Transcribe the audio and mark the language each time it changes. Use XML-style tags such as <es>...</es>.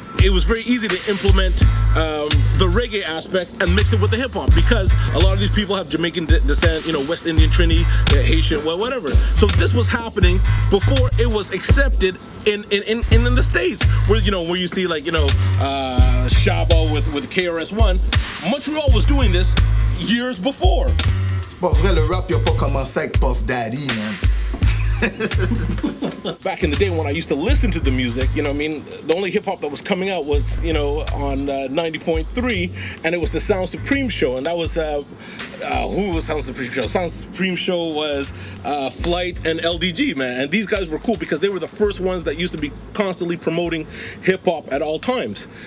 <en>It was very easy to implement the reggae aspect and mix it with the hip-hop, because a lot of these people have Jamaican descent, you know, West Indian, Trini, Haitian, well, whatever. So this was happening before it was accepted in the States, where, you know, where you see, like, you know, Shabba with KRS-One. Montreal was doing this years before.</en> <fr>C'est pas vrai, le rap, y'a pas commencé avec Puff Daddy, man.</fr> <en>Back in the day when I used to listen to the music, you know what I mean, the only hip-hop that was coming out was, you know, on 90.3, and it was the Sound Supreme Show, and that was, who was Sound Supreme Show? Sound Supreme Show was Flight and LDG, man, and these guys were cool because they were the first ones that used to be constantly promoting hip-hop at all times.</en>